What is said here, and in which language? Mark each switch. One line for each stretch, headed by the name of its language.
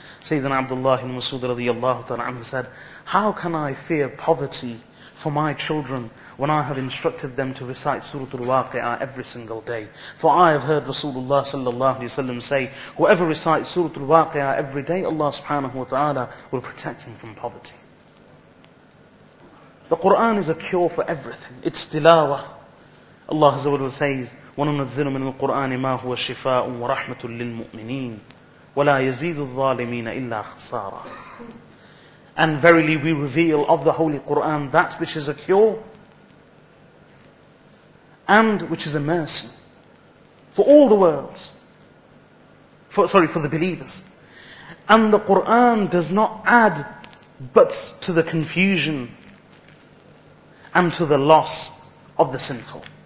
English: Sayyidina Abdullah ibn Masud radiyallahu ta'ala an said, how can I fear poverty for my children when I have instructed them to recite Surah Al-Waqi'ah every single day? For I have heard Rasulullah sallallahu alayhi wa sallam say, whoever recites Surah Al-Waqi'ah every day, Allah subhanahu wa ta'ala will protect him from poverty. The Quran is a cure for everything. It's tilawah. Allah azza wa jalla says,
Arabic: وَنُنَزِّلُ مِنَ الْقُرْآنِ مَا هُوَ شِفَاءٌ وَرَحْمَةٌ لِلْمُؤْمِنِينَ وَلَا يَزِيدُ الظَّالِمِينَ إِلَّا خَسَارًا.
English: And verily we reveal of the Holy Quran that which is a cure and which is a mercy for all the worlds, for the believers. And the Quran does not add but to the confusion and to the loss of the sinful.